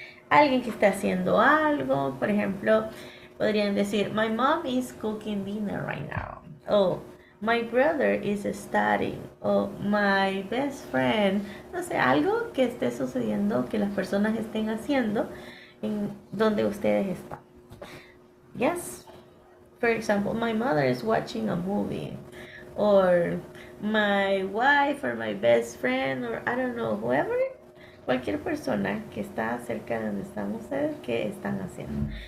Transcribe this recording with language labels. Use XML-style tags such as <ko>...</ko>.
<es>Alguien que está haciendo algo, por ejemplo, podrían decir,</es> <en>my mom is cooking dinner right now. O, my brother is studying. O, my best friend.</en> <es>No sé, algo que esté sucediendo, que las personas estén haciendo en donde ustedes están.</es> <en>Yes. For example, my mother is watching a movie. Or my wife or my best friend or I don't know, whoever.</en> <es>Cualquier persona que está cerca de donde están ustedes, ¿qué están haciendo?</es>